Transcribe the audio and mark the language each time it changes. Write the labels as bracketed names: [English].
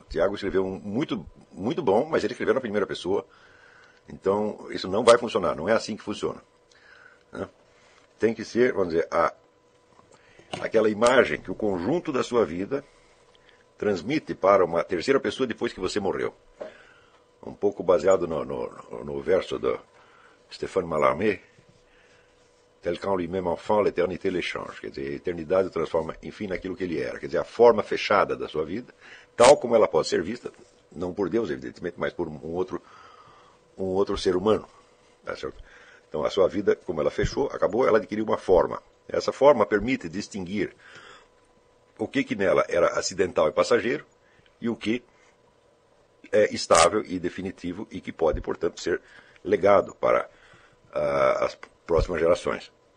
[Portuguese] O Tiago escreveu muito, muito bom, mas ele escreveu na primeira pessoa. Então, isso não vai funcionar, não é assim que funciona. Né? Tem que ser, vamos dizer, aquela imagem que o conjunto da sua vida transmite para uma terceira pessoa depois que você morreu. Um pouco baseado no verso do Stéphane Mallarmé, [French] tel qu'en lui-même enfant, l'éternité l'échange. [Portuguese] Quer dizer, a eternidade transforma, enfim, naquilo que ele era. Quer dizer, a forma fechada da sua vida, tal como ela pode ser vista, não por Deus, evidentemente, mas por um outro ser humano. Tá certo? Então, a sua vida, como ela fechou, acabou, ela adquiriu uma forma. Essa forma permite distinguir o que nela era acidental e passageiro e o que é estável e definitivo e que pode, portanto, ser legado para as próximas gerações.